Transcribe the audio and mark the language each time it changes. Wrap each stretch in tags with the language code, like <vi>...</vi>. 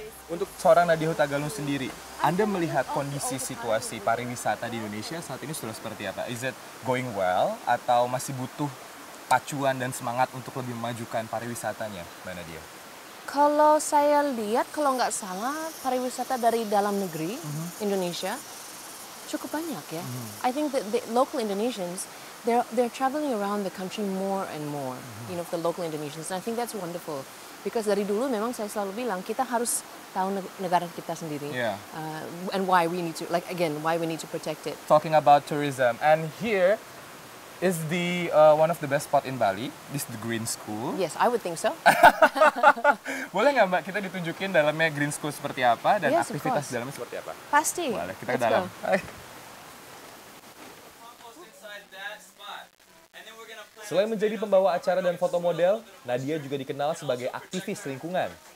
<id>Untuk seorang Nadia Hutagalung sendiri, Anda melihat kondisi situasi pariwisata di Indonesia saat ini sudah seperti apa?</id> <en>Is it going well</en> <id>atau masih butuh pacuan dan semangat untuk lebih memajukan pariwisatanya, Mbak Nadia? Kalau saya lihat, kalau nggak salah, pariwisata dari dalam negeri Indonesia cukup banyak ya.</id> <en>I think that the local Indonesians, they're traveling around the country more and more. You know, the local Indonesians. And I think that's wonderful.</en> <id>Because dari dulu memang saya selalu bilang kita harus tahu negara kita sendiri.</id> <en>Yeah. And why we need to, like again, why we need to protect it. Talking about tourism, and here is the one of the best spot in Bali. This is the Green School. Yes, I would think so.</en> <id>Boleh nggak Mbak kita ditunjukin dalamnya Green School seperti apa dan</id> <en>yes,</en> <id>aktivitas dalamnya seperti apa? Pasti. Boleh, kita ke dalam. Selain menjadi pembawa acara dan foto model, Nadia juga dikenal sebagai aktivis lingkungan.</id>